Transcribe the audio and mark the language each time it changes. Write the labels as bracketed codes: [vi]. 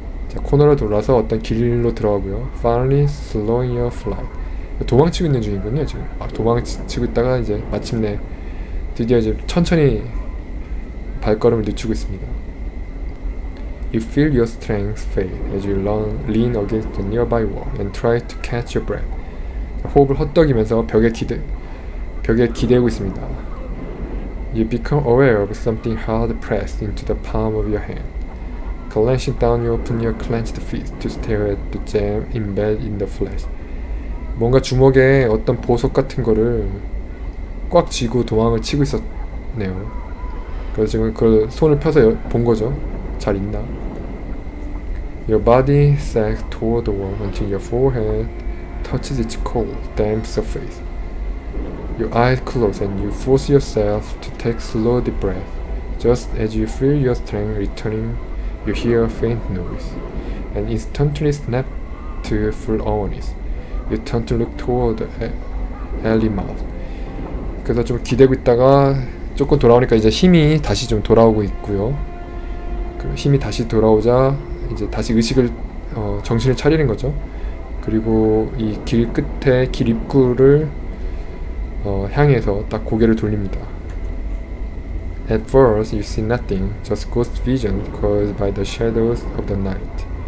[ko] 자, 코너를 돌아서 어떤 길로 들어가고요. [en] Finally slowing your flight. [ko] 도망치고 있는 중이군요, 지금. 막 도망치고 있다가 이제 마침내 드디어 이제 천천히 발걸음을 늦추고 있습니다. [en] You feel your strength fade as you lean against the nearby wall and try to catch your breath. [ko] 호흡을 헛떡이면서 벽에 기대고 있습니다. [en] You become aware of something hard pressed into the palm of your hand. Clenching down, you open your clenched fist to stare at the jam embedded in the flesh. [ko] 뭔가 주먹에 어떤 보석 같은 거를 꽉 쥐고 도망을 치고 있었네요. 그래서 지금 그걸 손을 펴서 본 거죠. 잘 있나? [en] Your body sags toward the wall until your forehead touches its cold, damp surface. Your eyes close and you force yourself to take slow deep breath. Just as you feel your strength returning, you hear a faint noise and instantly snap to full awareness. You turn to look toward the alley mouth. [ko] 그래서 좀 기대고 있다가 조금 돌아오니까 이제 힘이 다시 좀 돌아오고 있고요. 그 힘이 다시 돌아오자 이제 다시 의식을 정신을 차리는 거죠. 그리고 이 길 끝에 길 입구를 향해서 딱 고개를 돌립니다. [en] At first you see nothing, just ghost vision caused by the shadows of the night.